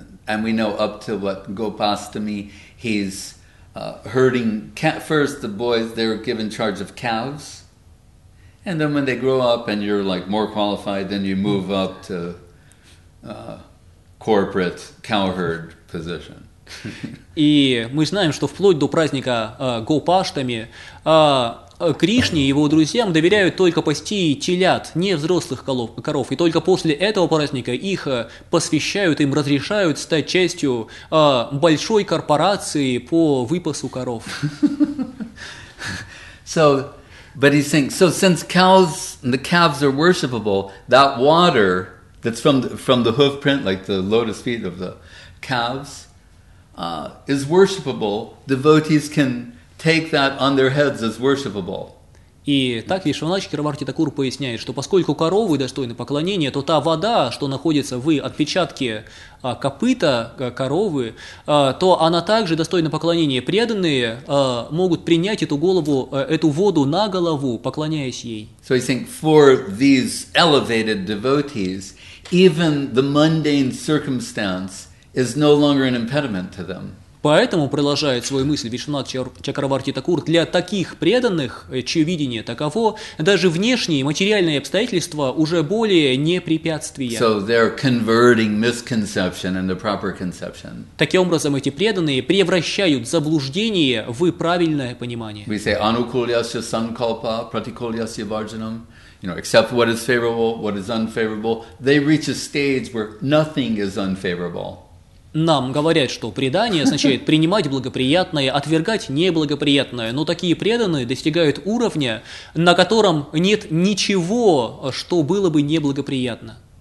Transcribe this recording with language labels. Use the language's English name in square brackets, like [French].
[English] And we know up to what Gopastami, he's herding cat. First, the boys, they're given charge of cows. And then when they grow up and you're like more qualified, then you move up to corporate cowherd position. [Russian] И мы знаем, что вплоть до праздника Гопаштами Кришне и его друзьям доверяют только пасти телят, не взрослых коров. И только после этого праздника их посвящают, им разрешают стать частью большой корпорации по выпасу коров. [English] So, but he's saying, so since cows, the calves are worshipable, that water that's from the hoof print, like the lotus feet of the calves is worshipable. Devotees can take that on their heads as worshipable. [Russian] И так Вишванатха Чакраварти Такур поясняет, что поскольку коровы достойны поклонения, то та вода, что находится в отпечатке копыта коровы, то она также достойна поклонения. Преданные могут принять эту голову, эту воду на голову, поклоняясь ей. [English] So I think for these elevated devotees, even the mundane circumstance is no longer an impediment to them. [Russian] Поэтому, продолжает свою мысль Вишванатха Чакраварти Такур, для таких преданных, чье видение таково, даже внешние материальные обстоятельства уже более не препятствия. [English] So they're converting misconception into proper conception. [Russian] Таким образом, эти преданные превращают заблуждение в правильное понимание. [English] We say [Sanskrit] anukulyasya sankalpa, pratikulyasya varjanam. [English] You know, accept what is favorable, what is unfavorable. They reach a stage where nothing is unfavorable. [Russian] Нам говорят, что предание означает принимать благоприятное, отвергать неблагоприятное, но такие преданные достигают уровня, на котором нет ничего, что было бы неблагоприятно.